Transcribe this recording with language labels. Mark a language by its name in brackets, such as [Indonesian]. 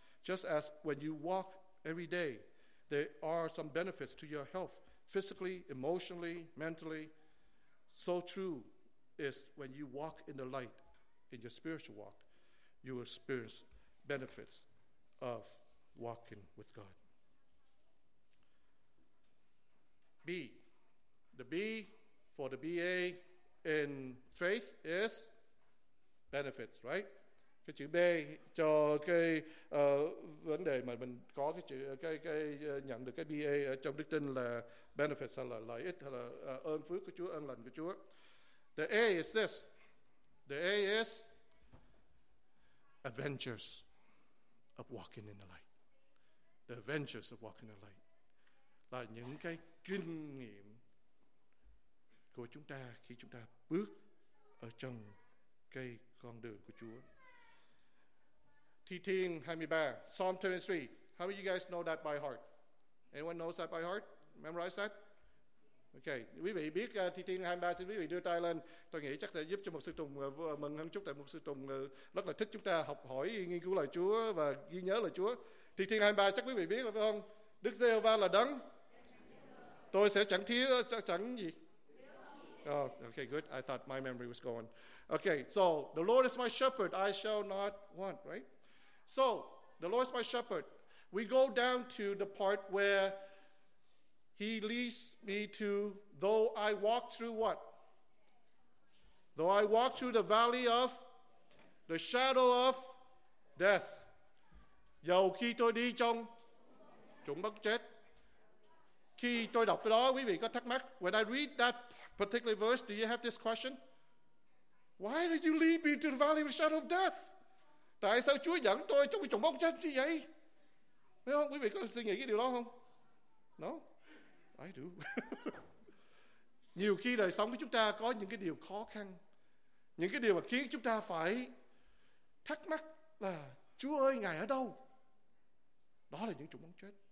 [English] Just as when you walk every day, there are some benefits to your health, physically, emotionally, mentally. So true is when you walk in the light, in your spiritual walk, you will experience benefits of walking with God. B. The B for the BA in faith is benefits, right? [Vietnamese] Cái chữ B cho cái vấn đề mà mình có cái chữ nhận được cái BA ở trong đức tin là benefits, hay là lợi ích, hay là ơn phước của Chúa, ơn lành của Chúa. [English] The A is this. The A is adventures of walking in the light. The adventures of walking in the light [Vietnamese] là những cái kinh nghiệm của chúng ta khi chúng ta bước ở trong cái con đường của Chúa. Thi Thiên 23, Psalm 23. [English] How many of you guys know that by heart? Anyone knows that by heart? Memorize that? [Vietnamese] Okay, quý vị biết Thi Thiên 23, xin quý vị đưa tay lên. Tôi nghĩ chắc sẽ giúp cho một sư Tùng mừng hơn chút, tại một sư Tùng rất là thích chúng ta học hỏi, nghiên cứu lời Chúa và ghi nhớ lời Chúa. Thi Thiên 23 chắc quý vị biết phải không? Đức Giê-hô-va là đấng. Tôi sẽ chẳng thiếu, chẳng gì. [English] Oh, okay, good. I thought my memory was gone. Okay, so the Lord is my shepherd, I shall not want, right? So, the Lord is my shepherd. We go down to the part where he leads me to, though I walk through what? Though I walk through the valley of the shadow of death. [Vietnamese] Dầu khi tôi đi trong chủng bất chết. Khi tôi đọc cái đó, quý vị có thắc mắc? [English] When I read that particular verse, do you have this question? Why did you lead me to the valley of the shadow of death? [Vietnamese] Tại sao Chúa dẫn tôi trong cái chủng bóng chết như vậy? Thấy không? Quý vị có suy nghĩ cái điều đó không? [English] No? I do. [Vietnamese] Nhiều khi đời sống của chúng ta có những cái điều khó khăn, những cái điều mà khiến chúng ta phải thắc mắc là Chúa ơi, Ngài ở đâu? Đó là những chủng bóng chết.